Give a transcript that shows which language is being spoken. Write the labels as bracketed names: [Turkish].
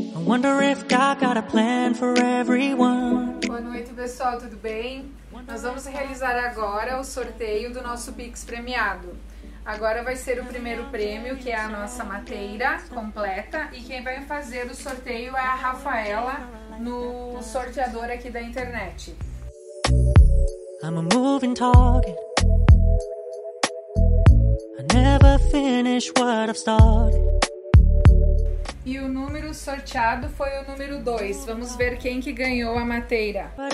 [English] Wonder if God got a plan for everyone. [Portuguese] Boa noite, pessoal, tudo bem? Nós vamos realizar agora o sorteio do nosso Pix premiado. Agora vai ser o primeiro prêmio, que é a nossa mateira completa. E quem vai fazer o sorteio é a Rafaela, no sorteador aqui da internet. [English] I'm a moving target. I never finish what I've started. [Portuguese] E o número sorteado foi o número 2. Vamos ver quem que ganhou a mateira.